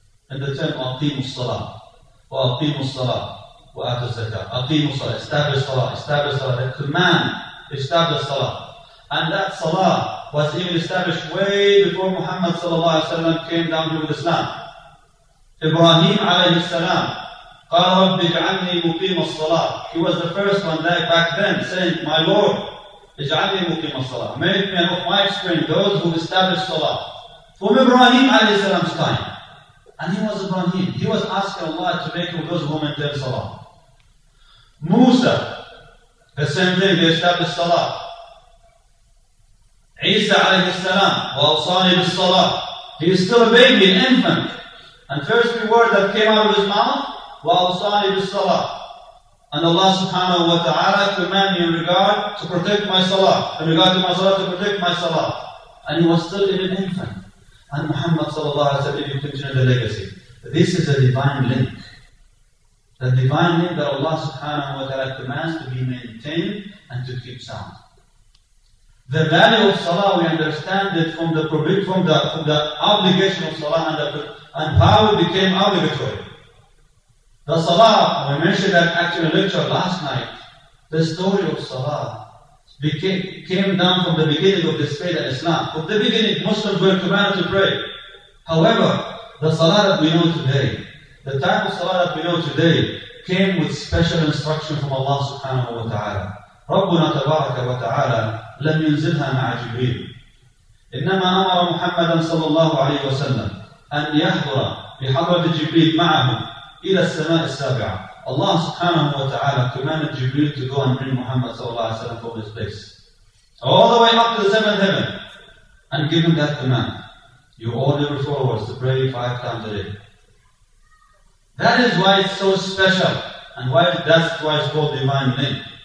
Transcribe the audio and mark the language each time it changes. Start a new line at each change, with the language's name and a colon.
English: In the term
Arabic: aqimu salah, wa aqimu salah, wa atu zakah.
English: Aqimu salah, establish salah, establish salah. The command, establish salah. And that salah was even established way before Muhammad sallallahu alayhi wa sallam came down here with Islam. Ibrahim alayhi salam,
Arabic: قال رب اجعلني مقيم الصلاة.
English: He was the first one that back then saying, My Lord,
Arabic: اجعلني مقيم الصلاة.
English: Make me an offspring, those who establish الصلاة. From Ibrahim عليه السلام's time. And he was Ibrahim. He was asking Allah to make him those who maintain الصلاة. Musa, the same thing, they established الصلاة.
Arabic: Isa عليه السلام, وأوصاني بالصلاة.
English: He is still a baby, an infant. And first reward that came out of his mouth,
Arabic: وَأَوْصَانِي بِالصَّلَاةِ.
English: And Allah subhanahu wa ta'ala command me in regard to protect my salah. In regard to my salah, to protect my salah. And he was still in an infant. And Muhammad sallallahu alayhi wa sallam, you continue the legacy. This is a divine link. The divine link that Allah subhanahu wa ta'ala commands to be maintained and to keep sound. The value of salah, we understand it from the obligation of salah and how it became obligatory. The salah, we mentioned that actually in lecture last night, the story of salah came down from the beginning of the state of Islam. From the beginning, Muslims were commanded to pray. However, the salah that we know today, the type of salah that we know today, came with special instruction from Allah subhanahu wa ta'ala.
Arabic: ربنا تبارك وتعالى لم ينزلها مع جبريل إنما أمر محمدا صلى الله عليه وسلم أن يحضر بحضرة جبريل معه إلى السماء السابعة.
English: Allah سبحانه وتعالى commanded جبريل to go and bring Muhammad صلى الله عليه وسلم from his place all the way up to the seventh heaven and give him that command. You order your followers to pray 5 times a day. That is why it's so special and why that's why it's called divine link.